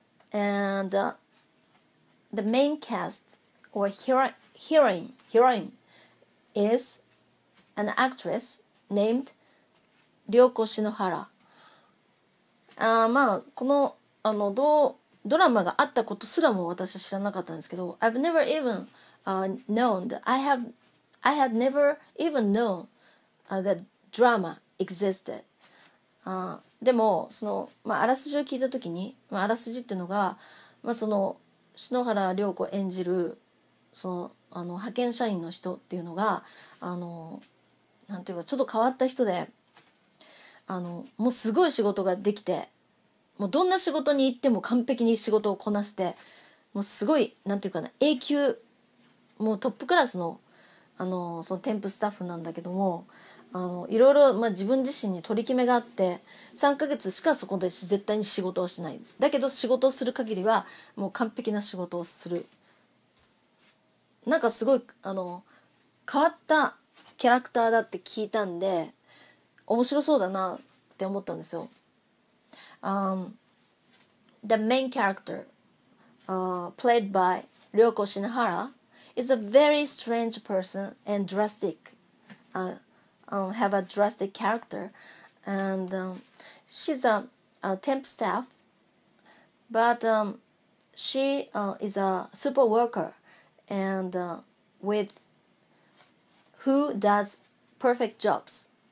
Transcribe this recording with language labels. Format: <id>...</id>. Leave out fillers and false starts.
<en>And the main cast or heroine is an actress named Ryoko Shinohara.</en> <ja>まあ、この、あの、どうドラマがあったことすらも私は知らなかったんですけど、</ja> <en>I've never even known that I had never even known that drama existed.</en> <ja>でもその、まあ、あらすじを聞いたときに、まあ、あらすじっていうのが、まあ、その篠原涼子演じるその、あの派遣社員の人っていうのが、あのなんていうかちょっと変わった人で、あのもうすごい仕事ができて。もうどんな仕事に行っても完璧に仕事をこなして、もうすごい、なんていうかな、A 級、もうトップクラスの、その添付スタッフなんだけども、いろいろ、まあ自分自身に取り決めがあって、3ヶ月しかそこで絶対に仕事をしない。だけど仕事をする限りは、もう完璧な仕事をする。なんかすごい、変わったキャラクターだって聞いたんで、面白そうだなって思ったんですよ。</ja> <en>The main character played by Ryoko Shinohara is a very strange person and drastic have a drastic character. And she's a temp staff, but she is a super worker and with who does perfect jobs.</en>